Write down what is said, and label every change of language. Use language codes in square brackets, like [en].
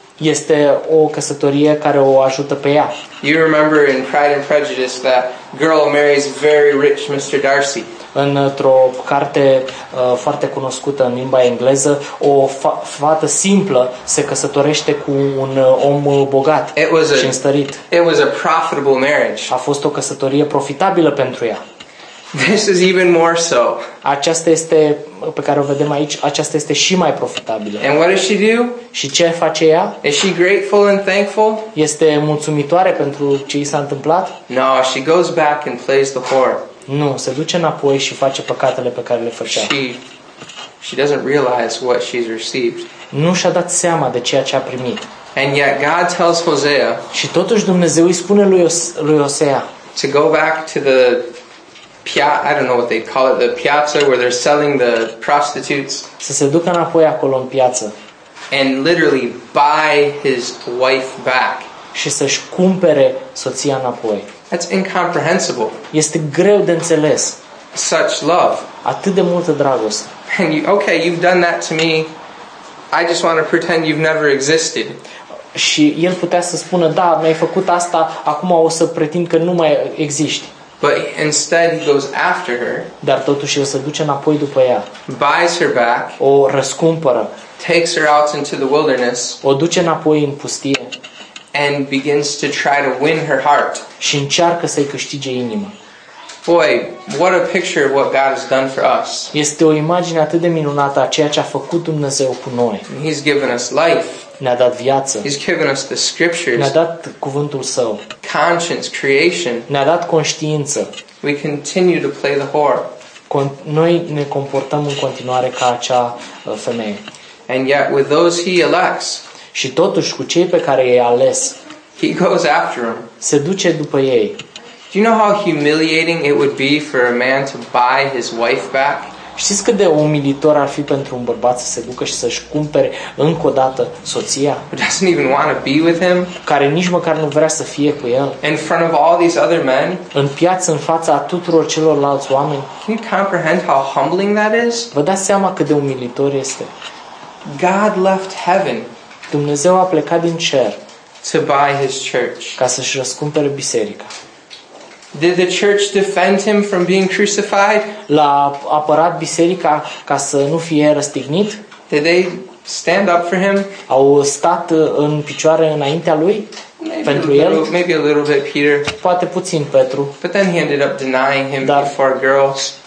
[ro] Este o căsătorie care o ajută pe ea. [en] You remember in Pride and Prejudice that girl marries very rich Mr. Darcy. [ro] Într-o carte foarte cunoscută în limba engleză, o fată simplă se căsătorește cu un om bogat și înstărit. [en] It was a profitable marriage. [ro] A fost o căsătorie profitabilă pentru ea. [en] This is even more so. [ro] Aceasta este pe care o vedem aici, aceasta este și mai profitabilă. [en] And what does she do? [ro] Și ce face ea? [en] Is she grateful and thankful? [ro] Este mulțumitoare pentru ce i s-a întâmplat? [en] No, she goes back and plays the whore. [ro] Nu, se duce înapoi și face păcatele pe care le făcea. [en] She doesn't realize what she's received. [ro] Nu și-a dat seama de ceea ce a primit. [en] And yet God tells Hosea. [ro] Și totuși Dumnezeu îi spune lui Hosea. [en] To go back to the I don't know what they call it, the piazza where they're selling the prostitutes. [ro] Să se ducă înapoi acolo în piață. [en] And literally buy his wife back. [ro] Și să-și cumpere soția înapoi. [en] That's incomprehensible. [ro] Este greu de înțeles. [en] Such love. [ro] Atât de multă dragoste. [en] And you've done that to me. I just want to pretend you've never existed. [ro] Și el putea să spună, da, mi-ai făcut asta, acum o să pretind că nu mai existi. [en] But instead he goes after her. [ro] Dar totuși el se duce înapoi după ea. [en] Buys her back. [ro] O răscumpără. [en] Takes her out into the wilderness. [ro] O duce înapoi în pustie. [en] and begins to try to win her heart. [ro] Și încearcă să-i câștige inima. [en] Boy, what a picture of what God has done for us. [ro] Este o imagine atât de minunată a ceea ce a făcut Dumnezeu cu noi. [en] He's given us life. [ro] Ne-a dat viață. [en] He's given us the scriptures. [ro] Ne-a dat cuvântul său. [en] Conscience, creation. [ro] Ne-a dat conștiință. [en] We continue to play the whore. [ro] Noi ne comportăm în continuare ca acea femeie. [en] And yet with those he elects. [ro] Și totuși cu cei pe care i-a ales. [en] He goes after them. [ro] Se duce după ei. [en] Do you know how humiliating it would be for a man to buy his wife back? [ro] Știți cât de umilitor ar fi pentru un bărbat să se ducă și să-și cumpere încă o dată soția? [en] Who doesn't even want to be with him? [ro] Care nici măcar nu vrea să fie cu el? [en] In front of all these other men? [ro] În piață, în fața tuturor celorlalți oameni? [en] Can you comprehend how humbling that is? [ro] Vă dați seama cât de umilitor este? [en] God left heaven. [ro] Dumnezeu a plecat din cer. [en] To buy his church. [ro] Ca să-și răscumpere biserica. [en] Did the church defend him from being crucified? [ro] L-a apărat biserica ca să nu fie răstignit? [en] Did they stand up for him? [ro] Au stat în picioare înaintea lui? [en] Maybe [ro] pentru [en] a little, [ro] el? [en] Maybe a little bit Peter. [ro] Poate puțin Petru. [en] But then he ended up denying him before girls.